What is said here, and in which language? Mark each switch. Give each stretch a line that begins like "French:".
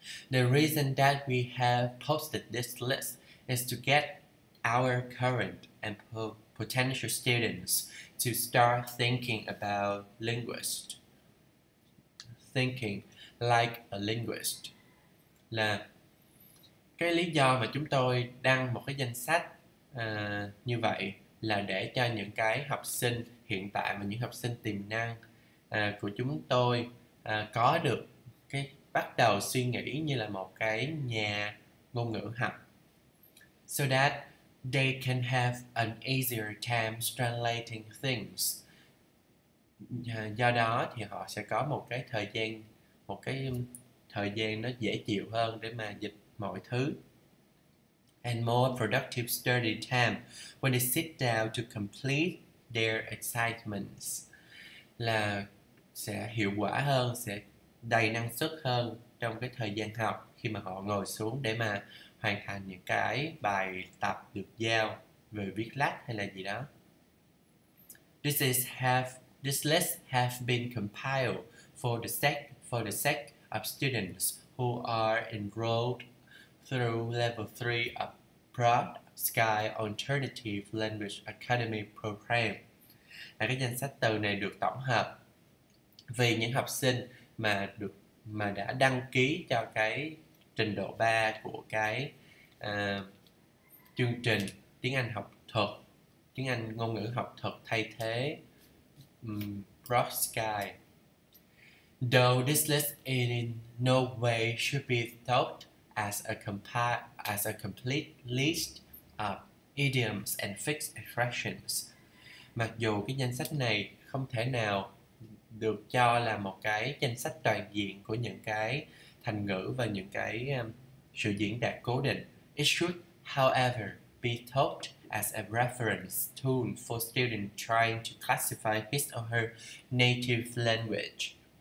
English: The reason that we have posted this list is to get our current and potential students to start thinking about linguists. Thinking like a linguist.
Vietnamese: Là cái lý do mà chúng tôi đăng một cái danh sách như vậy là để cho những cái học sinh hiện tại và những học sinh tiềm năng của chúng tôi có được cái bắt đầu suy nghĩ như là một cái nhà ngôn ngữ học.
English: So that they can have an easier time translating things.
Vietnamese: Do đó thì họ sẽ có một cái thời gian nó dễ chịu hơn để mà dịch mọi thứ.
English: And more productive study time when they sit down to complete their assignments.
Vietnamese: Là sẽ hiệu quả hơn, sẽ đầy năng suất hơn trong cái thời gian học khi mà họ ngồi xuống để mà hoàn thành những cái bài tập được giao về viết lách hay là gì đó.
English: This list have been compiled for the sake of students who are enrolled through level 3 of Broad Sky Alternative Language Academy program.
Vietnamese: Là cái danh sách từ này được tổng hợp vì những học sinh mà đã đăng ký cho cái trình độ 3 của cái chương trình tiếng Anh học thuật, tiếng Anh ngôn ngữ học thuật thay thế Broad Sky.
English: Though this list in no way should be thought as a complete list of idioms and fixed expressions.
Vietnamese: Mặc dù cái danh sách này không thể nào được cho là một cái danh sách toàn diện của những cái thành ngữ và những cái sự diễn đạt cố định.
English: It should, however, be thought as a reference tool for students trying to classify his or her native language.